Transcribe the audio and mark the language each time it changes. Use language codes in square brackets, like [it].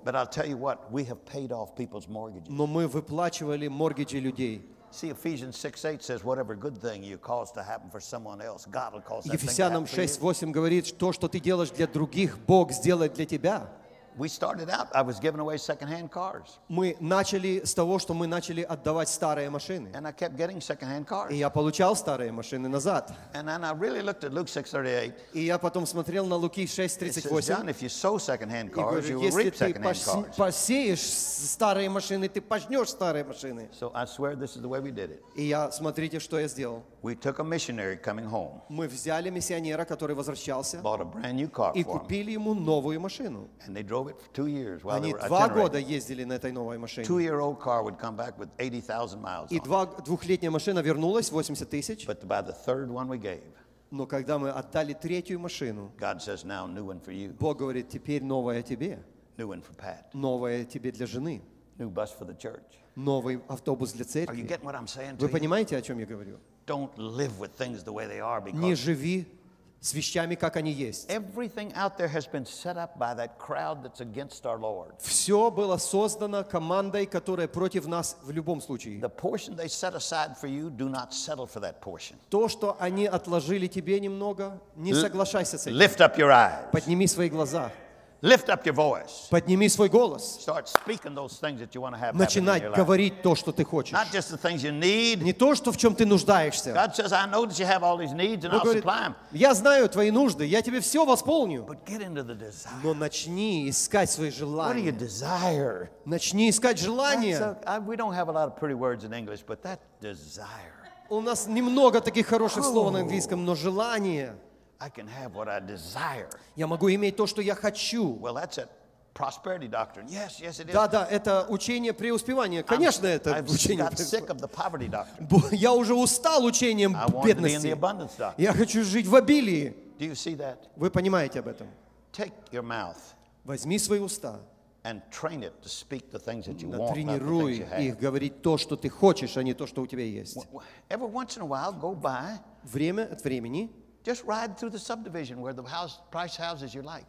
[en] But I'll tell you what, we have paid off people's mortgages. [ru] Но мы выплачивали моргиджи людей. [en] See, Ephesians 6:8 says, whatever good thing you cause to happen for someone else, God will cause that thing to happen. [ru] Ефесянам 6:8 говорит, то, что ты делаешь для других, Бог сделает для тебя. [en] We started out. I was giving away second-hand cars. [ru] Мы начали с того, что мы начали отдавать старые машины. [en] And I kept getting second-hand cars. [ru] И я получал старые машины назад. [en] And then I really looked at Luke 6:38. [ru] И я потом смотрел на Луки 6:38. [en] It says, John, if you sow second-hand cars, you will reap second-hand cars. [ru] Если ты посеешь старые машины, ты пожнешь старые машины. [en] So I swear this is the way we did it. [ru] И я смотрите, что я сделал. [en] We took a missionary coming home. [ru] Мы взяли миссионера, который возвращался. [en] Bought a brand new car for him. [ru] И купили ему новую машину. [en] And they drove it for 2 years while [ru] они [en] they were [ru] два года ездили на этой новой машине. [en] Two-year-old car would come back with 80,000 miles. [ru] И двухлетняя машина вернулась 80 тысяч. [en] But by the third one we gave. [ru] Но когда мы отдали третью машину. [en] God says now new one for you. [ru] Бог говорит теперь новая тебе. [en] New one for Pat. [ru] Новая тебе для жены. [en] New bus for the church. [ru] Новый автобус для церкви. [en] Are you getting what I'm saying to you? [ru] Вы понимаете, о чем я говорю? [en] Don't live with things the way they are because [ru] не живи с вещами, как они есть. [en] Everything out there has been set up by that crowd that's against our Lord. [ru] Все было создано командой, которая против нас в любом случае. [en] The portion they set aside for you, do not settle for that portion. [ru] То, что они отложили тебе немного, не соглашайся с этим. [en] Lift up your eyes. [ru] Подними свои глаза. [en] Lift up your voice. [ru] Подними свой голос. [en] Start speaking those things that you want to have. [ru] Начинать говорить то, что ты хочешь. [en] Not just the things you need. [ru] Не то, что в чем ты нуждаешься. [en] God says, I know that you have all these needs, and I'll supply them. [ru] Я знаю твои нужды, я тебе все восполню. [en] But get into the desire. [ru] Но начни искать свои желания. [en] What do you desire? [ru] Начни искать желания. [en] We don't have a lot of pretty words in English, but that desire. [ru] У нас немного таких хороших слов на английском, но желание. [en] I can have what I desire. [ru] Я могу иметь то, что я хочу. [en] Well, that's a prosperity doctrine. Yes, yes, it is. [ru] Да, да, это учение преуспевания. Конечно, это учение. [en] I've got sick of the poverty doctrine. [ru] Я уже устал учением бедности. [en] I want to be in the abundance doctrine. [ru] Я хочу жить в обилии. [en] Do you see that? [ru] Вы понимаете об этом? [en] Take your mouth. [ru] Возьми свои уста. [en] And train it to speak the things that you want, [ru] натренируй [en] not the things you have. [ru] Их говорить то, что ты хочешь, а не то, что у тебя есть. [en] Every once in a while, go by. [ru] Время от времени. [en] Just ride through the subdivision where the house, price houses you like.